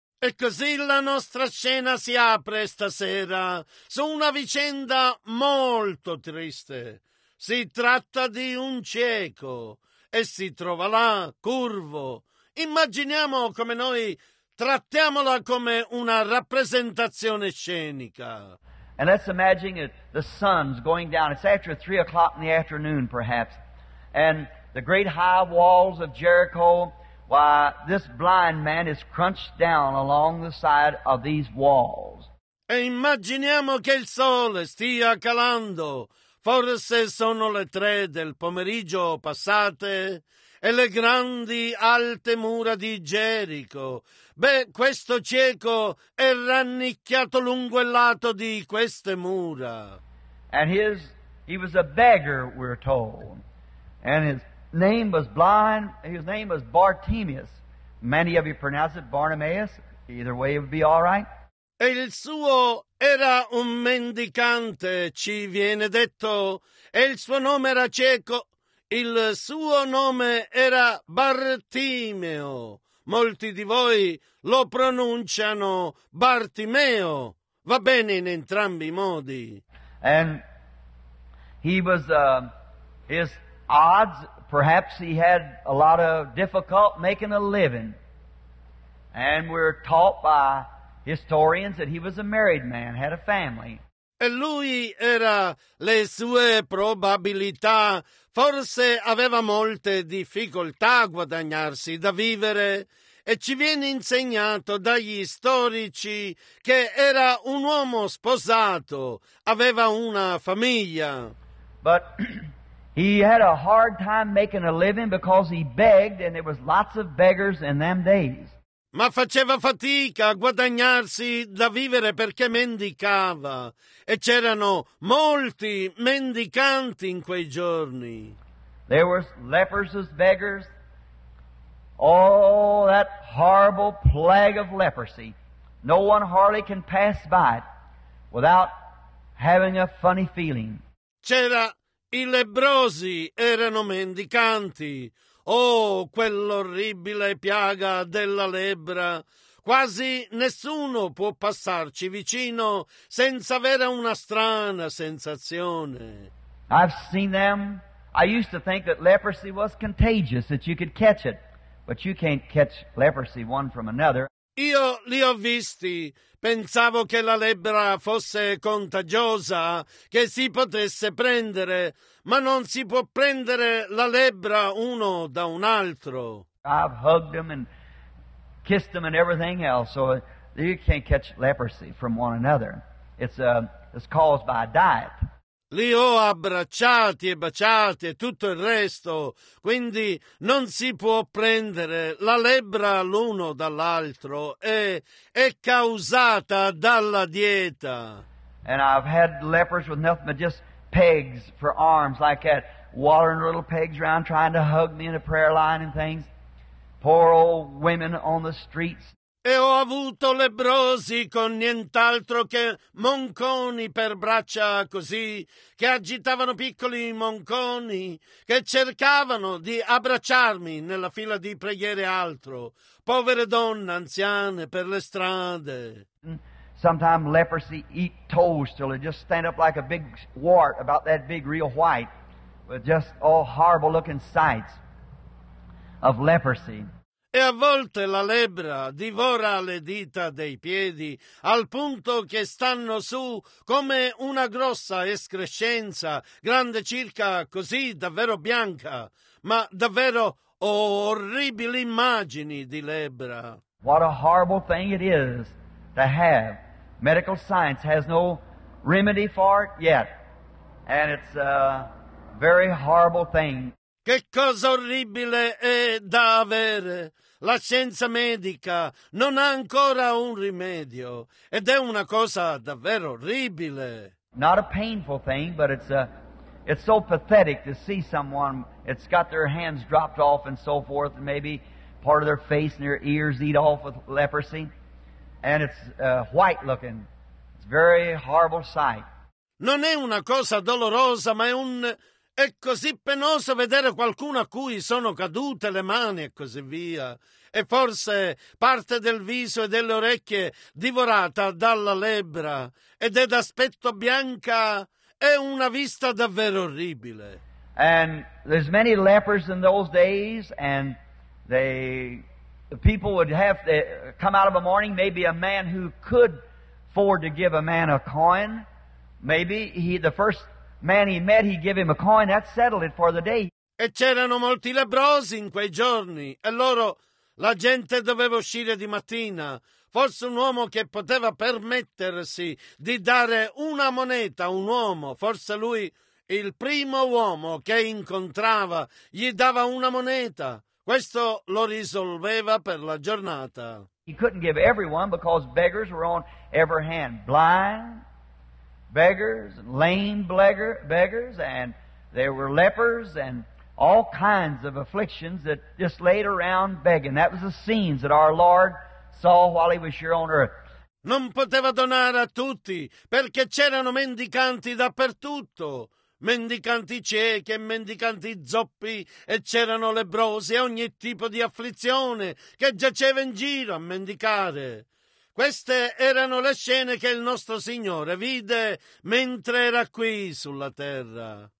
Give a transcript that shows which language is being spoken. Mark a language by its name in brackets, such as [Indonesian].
[Italian] E così la nostra scena si apre stasera su una vicenda molto triste. Si tratta di un cieco, e si trova là, curvo. Immaginiamo come noi trattiamola come una rappresentazione scenica. [English] And let's imagine it, the sun's going down. It's after 3 o'clock in the afternoon, perhaps. And the great high walls of Jericho, why, this blind man is crunched down along the side of these walls. [Italian] E immaginiamo che il sole stia calando. Forse sono le 3 del pomeriggio passate. E le grandi alte mura di Gerico. Beh, questo cieco è rannicchiato lungo il lato di queste mura. [English] And he was a beggar, we're told. And his name was blind. His name was Bartimaeus. Many of you pronounce it Barnabas. Either way, it would be all right. [Italian] E il suo era un mendicante, ci viene detto. E il suo nome era cieco. Il suo nome era Bartimeo. Molti di voi lo pronunciano Bartimeo. Va bene in entrambi i modi. [English] And he was his odds, perhaps he had a lot of difficult making a living. And we're taught by historians that he was a married man, had a family. [Italian] E lui era le sue probabilità, forse aveva molte difficoltà a guadagnarsi da vivere, e ci viene insegnato dagli storici che era un uomo sposato, aveva una famiglia. [English] But he had a hard time making a living because he begged, and there was lots of beggars in them days. [Italian] Ma faceva fatica a guadagnarsi da vivere perché mendicava, e c'erano molti mendicanti in quei giorni. [English] There were lepers as beggars. Oh, that horrible plague of leprosy. No one hardly can pass by it without having a funny feeling. [Italian] C'era i lebbrosi, erano mendicanti. Oh, quell'orribile piaga della lebbra. Quasi nessuno può passarci vicino senza avere una strana sensazione. [English] I've seen them. I used to think that leprosy was contagious, that you could catch it. But you can't catch leprosy one from another. [Italian] Io li ho visti. Pensavo che la lebbra fosse contagiosa, che si potesse prendere, ma non si può prendere la lebbra uno da un altro. [English] I've hugged them and kissed them and everything else, so you can't catch leprosy from one another. It's caused by diet. [Italian] Li ho abbracciati e baciati e tutto il resto, quindi non si può prendere la lebbra l'uno dall'altro, e è causata dalla dieta. [English] And I've had lepers with nothing but just pegs for arms like that, watering little pegs around trying to hug me in a prayer line and things. Poor old women on the streets. [Italian] E ho avuto lebbrosi con nient'altro che monconi per braccia così, che agitavano piccoli monconi, che cercavano di abbracciarmi nella fila di preghiere altro. Povere donne anziane per le strade. [English] Sometimes leprosy eat toes till they just stand up like a big wart about that big real white, with just all horrible looking sights of leprosy. [Italian] E a volte la lebbra divora le dita dei piedi al punto che stanno su come una grossa escrescenza, grande circa così, davvero bianca, ma davvero orribili immagini di lebbra. [English] What a horrible thing it is to have. Medical science has no remedy for it yet. And it's a very horrible thing. [Italian] Che cosa orribile è da avere? La scienza medica non ha ancora un rimedio. Ed è una cosa davvero orribile. [English] Not a painful thing, but it's so pathetic to see someone. It's got their hands dropped off and so forth, and maybe part of their face and their ears eat off with leprosy. And it's white looking. It's a very horrible sight. [Italian] Non è una cosa dolorosa, ma è così penoso vedere qualcuno a cui sono cadute le mani e così via. E forse parte del viso e delle orecchie divorata dalla lebbra. Ed è d'aspetto bianca, è una vista davvero orribile. [English] And there's many lepers in those days, and the people would have to come out of the morning, maybe a man who could afford to give a man a coin. Maybe the first man he met, he'd give him a coin, that settled it for the day. [Italian] E c'erano molti lebbrosi in quei giorni, e loro, la gente doveva uscire di mattina. Forse un uomo che poteva permettersi di dare una moneta a un uomo, forse lui, il primo uomo che incontrava, gli dava una moneta. Questo lo risolveva per la giornata. [English] He couldn't give everyone because beggars were on every hand. Blind beggars, lame beggars, and there were lepers and all kinds of afflictions that just laid around begging. That was the scenes that our Lord saw while he was here on earth. [Italian] Non poteva donare a tutti perché c'erano mendicanti dappertutto. Mendicanti ciechi, mendicanti zoppi, e c'erano lebbrosi e ogni tipo di afflizione che giaceva in giro a mendicare. Queste erano le scene che il nostro Signore vide mentre era qui sulla terra.